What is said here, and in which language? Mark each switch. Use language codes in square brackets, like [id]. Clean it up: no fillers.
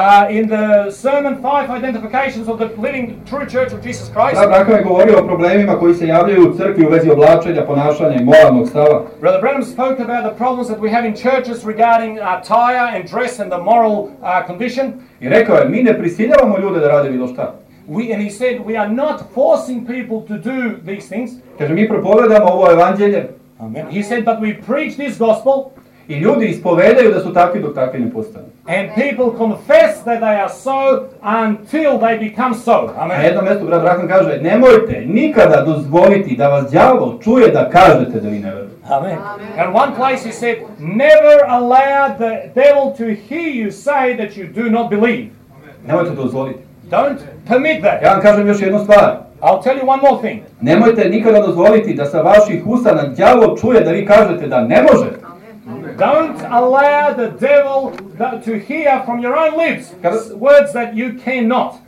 [en] In the sermon 5 identifications of the living true church of Jesus Christ. [sr] Da, dakle, govorio o problemima koji se javljaju u crkvi u vezi oblačenja, ponašanja i moralnog stava. [en] Brother Branham spoke about the problems that we have in churches regarding attire and dress and the moral condition. [sr] I rekao je, mi ne prisiljavamo ljude da rade bilo šta. [en] And he said we are not forcing people to do these things. [sr] Kaže, mi propovedamo ovo evanđelje. [en] Amen. He said but we preach this gospel. [sr] I ljudi ispovedaju da su takvi dok takvi ne postanu. [en] And people confess that they are so until they become so. [sr] Amen. Na jednom mjestu brat Rahman kaže, nemojte nikada dozvoliti da vas đavo čuje da kažete da vi ne vjerujete. Amen. [en] And one place he said, never allow the devil to hear you say that you do not believe. [sr] Nemojte dozvoliti. [en] Don't permit that. [sr] Ja vam kažem još jednu stvar. [en] I'll tell you one more thing. [sr] Nemojte nikada dozvoliti da sa vaših usana đavo čuje da vi kažete da ne može. [en] Don't allow the devil to hear from your own lips words that you cannot.